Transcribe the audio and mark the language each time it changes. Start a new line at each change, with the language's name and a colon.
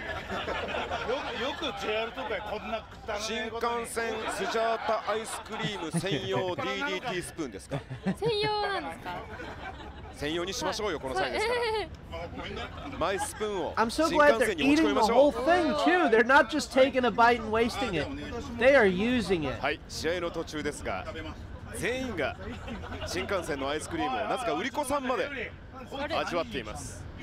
Japanese: よく JR とかこんな食ったね。新幹線スジャータアイスクリーム専用 DDT スプーンですか。専用なんですか。専用にしましょうよこの際ですから。マイスプーンを新幹線に持ち込みましょう。
English: The whole thing too. They're not just taking a bite and wasting it. They are using it.
Japanese: はい、試合の途中ですが、全員が新幹線のアイスクリームをなぜか売り子さんまで味わっています。